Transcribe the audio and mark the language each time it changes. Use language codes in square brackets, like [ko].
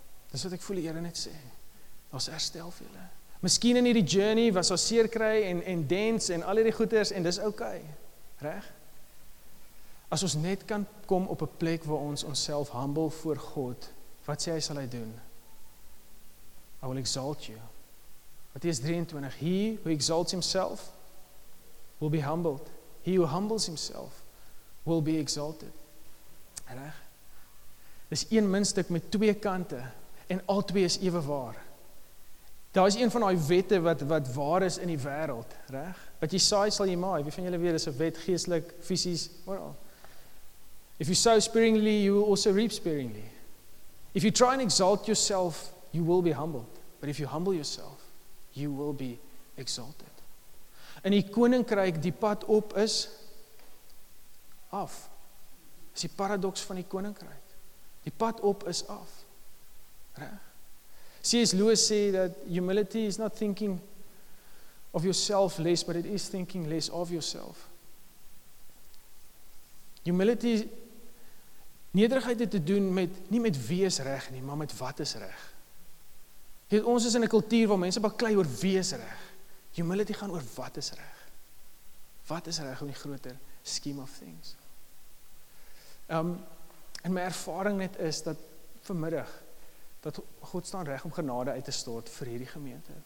[af] Dis wat ek voel die Here net sê. Daar's herstel vir julle. Miskien in hierdie journey was daar seer kry en dents en al hierdie goeders en dis okay. Reg? As ons net kan kom op 'n plek waar ons onsself humble voor God, wat sê hy sal hy doen? [en] I will exalt you. Matteus 23, he who exalts himself will be humbled. He who humbles himself will be exalted. Reg? [af] Dis een muntstuk met twee kante en al twee is ewe waar. Daar is een van die wette wat waar is in die wêreld, reg? Wat jy saai sal jy maai. Wie van julle weet dis 'n wet geestelik, fisies, oral. [en] If you sow sparingly, you will also reap sparingly. If you try and exalt yourself, you will be humbled. But if you humble yourself, you will be exalted. [af] In die koninkryk die pad op is af. Is die paradox van die koninkryk. Die pad op is af. Reg? C.S. [en] Lewis [af] sê dat [en] humility is not thinking of yourself less, but it is thinking less of yourself. [af] Humility, nederigheid het te doen met, nie met wie is reg nie, maar met wat is reg. Ons is in 'n kultuur waar mense baklei oor wie is reg. Humility gaan oor wat is reg. Wat is reg in die groter scheme of things. En my ervaring net is dat vanmiddag dat God staan reg om genade uit te stort vir hierdie gemeente.